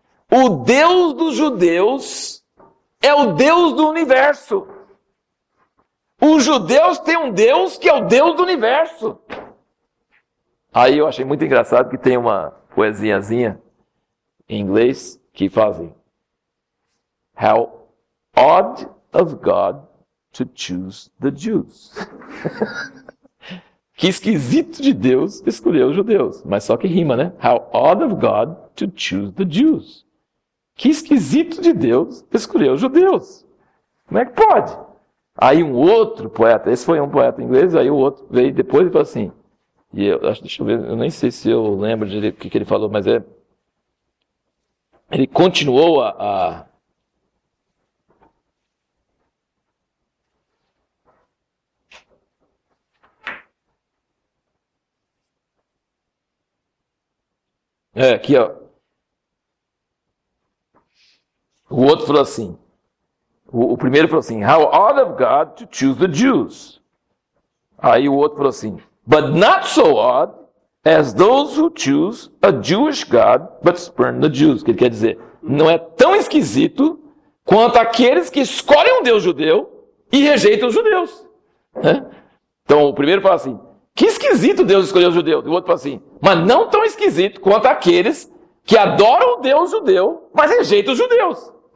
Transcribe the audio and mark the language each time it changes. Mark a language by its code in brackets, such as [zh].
[pt] O Deus dos judeus é o Deus do universo. Os judeus têm um Deus que é o Deus do universo. Aí eu achei muito engraçado que tem uma poesiazinha em inglês que fazem. [en] How odd of God to choose the Jews. [pt] Que esquisito de Deus escolher os judeus. Mas só que rima, né? [en] How odd of God to choose the Jews. [pt] Que esquisito de Deus escolher os judeus. Como é que pode? Aí um outro poeta, esse foi um poeta inglês, aí o outro veio depois e falou assim, e eu acho, deixa eu ver, eu nem sei se eu lembro direito o que ele falou, mas é, ele continuou aqui, ó. O outro falou assim. O primeiro falou assim, [en] how odd of God to choose the Jews. [pt] Aí o outro falou assim, [en] but not so odd as those who choose a Jewish God but spurn the Jews. [pt] O que ele quer dizer? Não é tão esquisito quanto aqueles que escolhem um Deus judeu e rejeitam os judeus. Então o primeiro fala assim, que esquisito Deus escolheu os judeus. E o outro fala assim, mas não tão esquisito quanto aqueles que adoram o Deus judeu, mas rejeitam os judeus.